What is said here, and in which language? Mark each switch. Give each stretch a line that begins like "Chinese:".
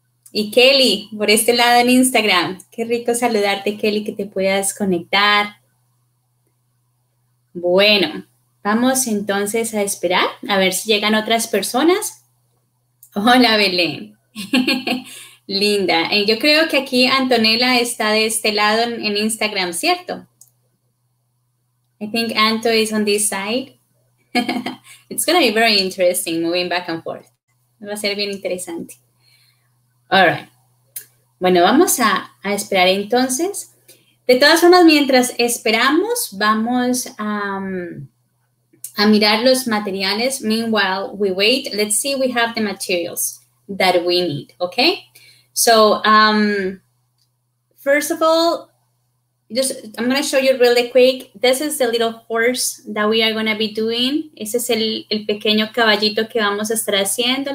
Spanish: Y Kelly, por este lado en Instagram, qué rico saludarte, Kelly, que te puedas conectar. Bueno. Vamos entonces a esperar, a ver si llegan otras personas. Hola, Belén. Linda. Yo creo que aquí Antonella está de este lado en Instagram, ¿cierto?
English: I think Anto is on this side. It's going to be very interesting moving back and forth.
Spanish: Va a ser bien interesante.
English: All right.
Spanish: Bueno, vamos a esperar entonces. De todas formas, mientras esperamos, vamos a... a mirar los materiales.
English: Meanwhile, we wait. Let's see, we have the materials that we need, okay? So, first of all, I'm gonna show you really quick. This is the little horse that we are gonna be doing.
Spanish: Ese es el pequeño caballito que vamos a estar haciendo.